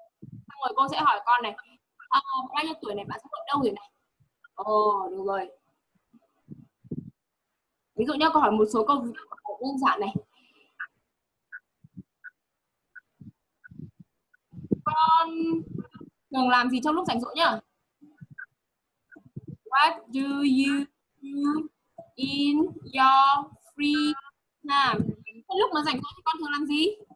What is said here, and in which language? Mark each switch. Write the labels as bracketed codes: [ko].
[vi] Xong rồi cô sẽ hỏi con này. Bao nhiêu tuổi này bạn sống ở đâu rồi này? Được rồi. Ví dụ nhá, cô hỏi một số câu đơn giản này. Con thường làm gì trong lúc rảnh rỗi nhá? [en] What do you do in your free time? [vi] Lúc mà rảnh rỗi thì con thường làm gì?